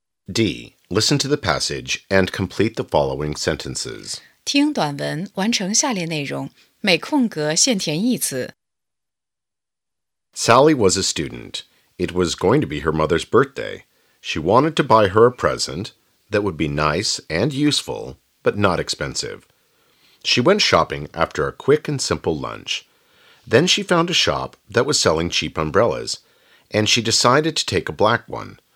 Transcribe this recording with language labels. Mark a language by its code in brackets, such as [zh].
[en] D. Listen to the passage and complete the following sentences. [zh] 听短文，完成下列内容，每空格限填一词。 [en] Sally was a student. It was going to be her mother's birthday. She wanted to buy her a present that would be nice and useful, but not expensive. She went shopping after a quick and simple lunch. Then she found a shop that was selling cheap umbrellas, and she decided to take a black one.